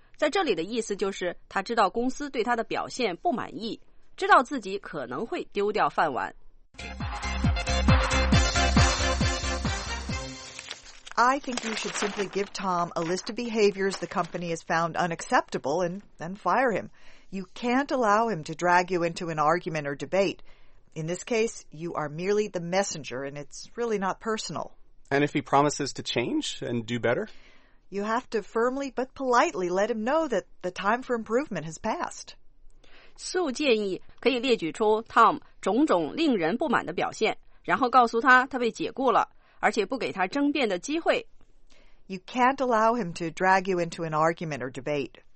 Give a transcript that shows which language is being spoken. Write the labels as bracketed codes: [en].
[zh] 在这里的意思就是他知道公司对他的表现不满意，知道自己可能会丢掉饭碗。 [en] I think you should simply give Tom a list of behaviors the company has found unacceptable and then fire him. You can't allow him to drag you into an argument or debate. In this case, you are merely the messenger, and it's really not personal. And if he promises to change and do better? You have to firmly but politely let him know that the time for improvement has passed. [zh] Sue 建议可以列举出 Tom 种种令人不满的表现，然后告诉他他被解雇了，而且不给他争辩的机会。 [en] You can't allow him to drag you into an argument or debate.